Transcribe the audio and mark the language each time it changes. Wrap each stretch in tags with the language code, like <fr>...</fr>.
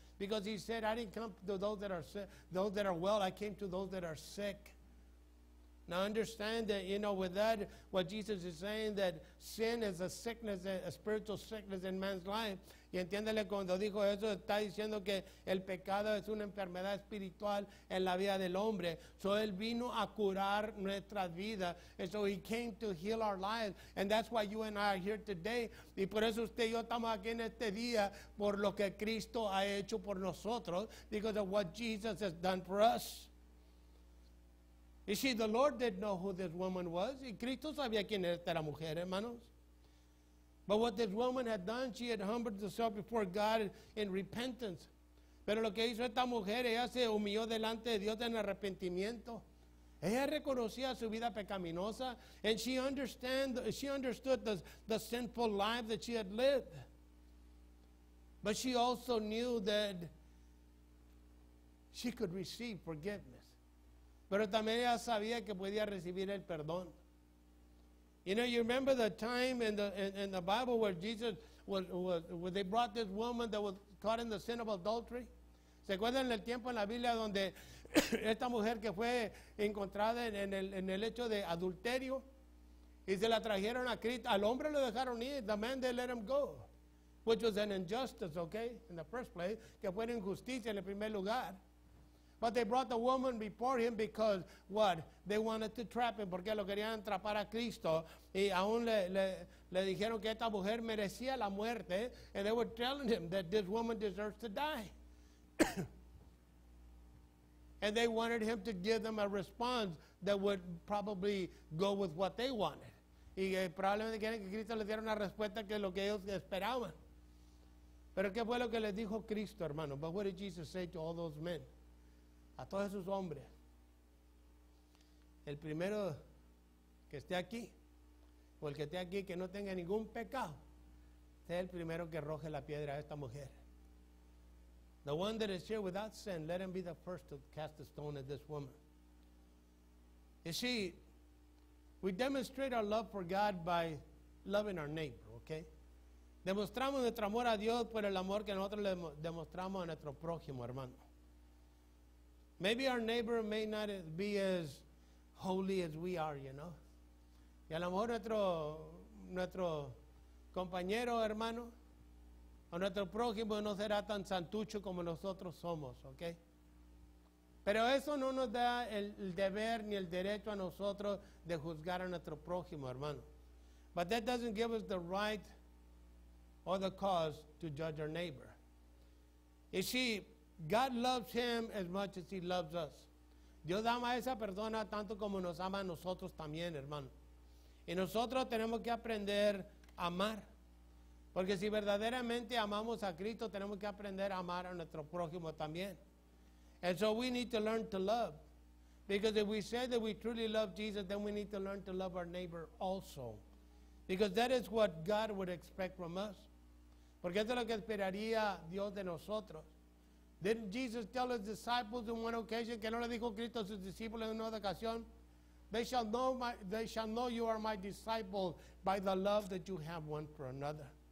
<en>Because he said, I didn't come to those that are well, I came to those that are sick. Now understand that, you know, with that, what Jesus is saying, that sin is a sickness, a spiritual sickness in man's life.</en> <es>Y entiéndele cuando dijo eso, está diciendo que el pecado es una enfermedad espiritual en la vida del hombre. So él vino a curar nuestras vidas.</es> <en>And so he came to heal our lives. And that's why you and I are here today.</en> <es>Y por eso usted y yo estamos aquí en este día, por lo que Cristo ha hecho por nosotros.</es> <en>Because of what Jesus has done for us. You see, the Lord didn't know who this woman was.</en> <es>Y Cristo sabía quién era esta mujer, hermanos.</es> <en>But what this woman had done, she had humbled herself before God in repentance.</en> <es>Pero lo que hizo esta mujer, ella se humilló delante de Dios en arrepentimiento. Ella reconocía su vida pecaminosa.</es> <en>And she understood the sinful life that she had lived. But she also knew that she could receive forgiveness.</en> <es>Pero también ella sabía que podía recibir el perdón.</es> <en>You know, you remember the time in the Bible where Jesus was they brought this woman that was caught in the sin of adultery.</en> <es>¿Se acuerdan el tiempo en la Biblia donde esta mujer que fue encontrada en el hecho de adulterio y se la trajeron a Cristo? Al hombre lo dejaron ir.</es> <en>The man, they let him go, which was an injustice, okay, in the first place,</en> <es>que fue una injusticia en el primer lugar.</es> <en>But they brought the woman before him because, what? They wanted to trap him.</en> <es>Porque lo querían atrapar a Cristo. Y aún le dijeron que esta mujer merecía la muerte.</es> <en>And they were telling him that this woman deserves to die. And they wanted him to give them a response that would probably go with what they wanted.</en> <es>Y probablemente quieren que Cristo les diera una respuesta que lo que ellos esperaban. Pero ¿qué fue lo que les dijo Cristo, hermano?</es> <en>But what did Jesus say to all those men?</en> <es>A todos esos hombres, el primero que esté aquí, o el que esté aquí que no tenga ningún pecado, sea el primero que arroje la piedra a esta mujer.</es> <en>The one that is here without sin, let him be the first to cast a stone at this woman. You see, we demonstrate our love for God by loving our neighbor, okay?</en> <es>Demostramos nuestro amor a Dios por el amor que nosotros le demostramos a nuestro prójimo, hermano.</es> <en>Maybe our neighbor may not be as holy as we are, you know.</en> <es>Y a lo mejor nuestro compañero, hermano, o nuestro prójimo no será tan santucho como nosotros somos, okay? Pero eso no nos da el deber ni el derecho a nosotros de juzgar a nuestro prójimo, hermano.</es> <en>But that doesn't give us the right or the cause to judge our neighbor. You see, God loves him as much as he loves us.</en> <es>Dios ama a esa persona tanto como nos ama a nosotros también, hermano. Y nosotros tenemos que aprender a amar. Porque si verdaderamente amamos a Cristo, tenemos que aprender a amar a nuestro prójimo también.</es> <en>And so we need to learn to love. Because if we say that we truly love Jesus, then we need to learn to love our neighbor also. Because that is what God would expect from us.</en> <es>Porque eso es lo que esperaría Dios de nosotros.</es> <en>Didn't Jesus tell his disciples in one occasion,</en> <es>que no le dijo Cristo a sus discípulos en una ocasión,</es> <en>they shall know you are my disciples by the love that you have one for another.</en>